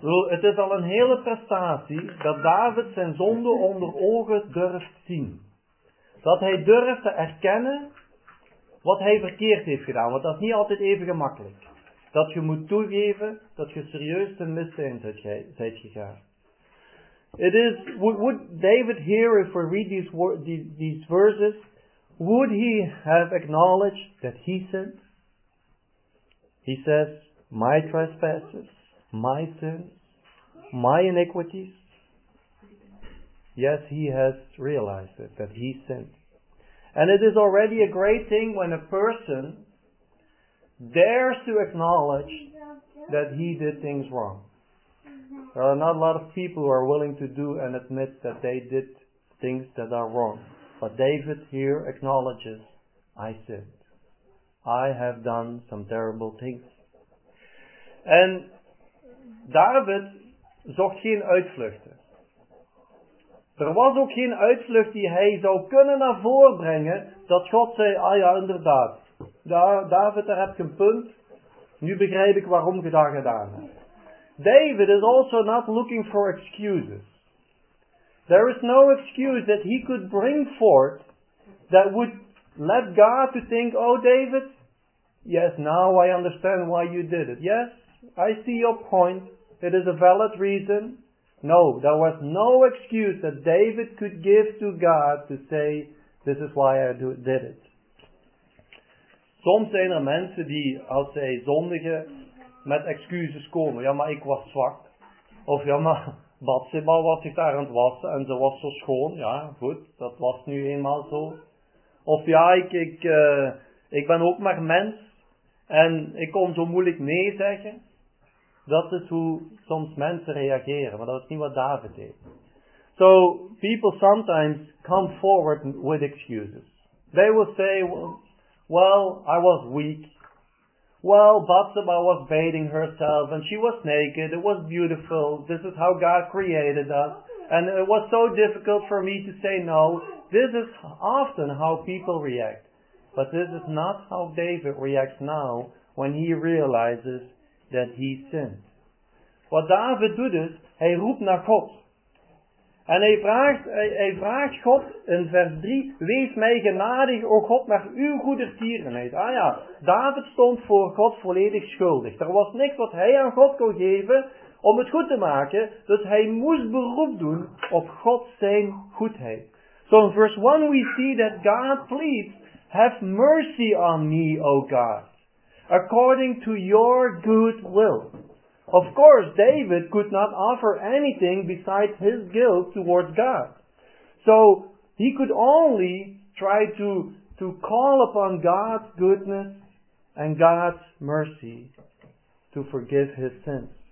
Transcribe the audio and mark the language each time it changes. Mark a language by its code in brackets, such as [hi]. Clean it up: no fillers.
[nl] Het is al een hele prestatie dat David zijn zonde onder ogen durft zien. Dat hij durft te erkennen wat hij verkeerd heeft gedaan. Want dat is niet altijd even gemakkelijk. Dat je moet toegeven dat je serieus ten misdrijf bent gegaan. [en] It is, would David hear if we read these verses, would he have acknowledged that he sinned? He says, my trespasses, my sins, my iniquities. Yes, he has realized it, that he sinned. And it is already a great thing when a person dares to acknowledge that he did things wrong. There are not a lot of people who are willing to do and admit that they did things that are wrong. But David here acknowledges, I sinned. I have done some terrible things. [nl] And David zocht geen uitvluchten. Er was ook geen uitvlucht die hij zou kunnen naar voren brengen, dat God zei, ah ja, inderdaad. David, daar heb je een punt. Nu begrijp ik waarom je dat gedaan hebt. [en] David is also not looking for excuses. There is no excuse that he could bring forth that would let God to think, oh David, yes, now I understand why you did it. Yes, I see your point. It is a valid reason. No, there was no excuse that David could give to God to say, this is why I did it. [nl] Soms zijn er mensen die, als zij zondigen, met excuses komen. Ja, maar ik was zwak. Of ja, maar Bathsheba was zich daar aan het wassen en ze was zo schoon. Ja, goed, dat was nu eenmaal zo. Of ja, ik ben ook maar mens en ik kon zo moeilijk nee zeggen. Dat is hoe soms mensen reageren, maar dat is niet wat David deed. [en] So, people sometimes come forward with excuses. They will say, well, I was weak. Well, Bathsheba was bathing herself and she was naked. It was beautiful. This is how God created us. And it was so difficult for me to say no. This is often how people react. But this is not how David reacts now when he realizes that he sinned. [nl] Wat David doet is, hij roept naar God. En hij vraagt God in vers 3, wees mij genadig, o God, naar uw goedertierenheid. Ah ja, David stond voor God volledig schuldig. Er was niks wat hij aan God kon geven om het goed te maken. Dus hij moest beroep doen op God zijn goedheid. [en] So in verse 1 we see that God pleads, have mercy on me, o God, according to your good will. Of course, David could not offer anything besides his guilt towards God. So, he could only try to call upon God's goodness and God's mercy to forgive his sins.